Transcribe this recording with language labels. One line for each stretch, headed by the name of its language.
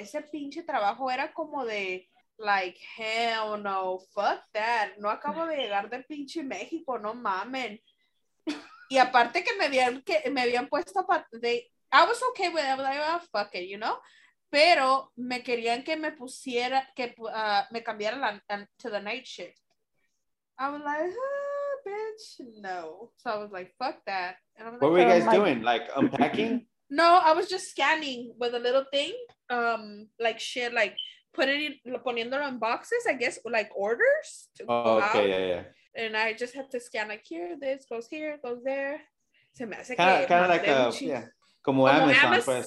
Spanish: Ese pinche trabajo era como de
English: like hell no. Fuck that.
Spanish: No acabo de llegar del pinche México, no mamen. Y aparte que me habían puesto
English: I was okay with it. I was like, oh, fuck it, you know?
Spanish: Pero me querían que me pusiera, que me cambiara
English: to the night shift. I was like, oh, bitch, no. So I was like, fuck that. And like, what were you guys doing? Like unpacking? No, I was just scanning with a little thing, like shit, like poniéndolo in boxes, I guess, like orders. To go out. And I just have to scan, like, here, this goes here, goes there.
Spanish: Se me hace
English: kind of like a,
Spanish: Como Amazon, pues.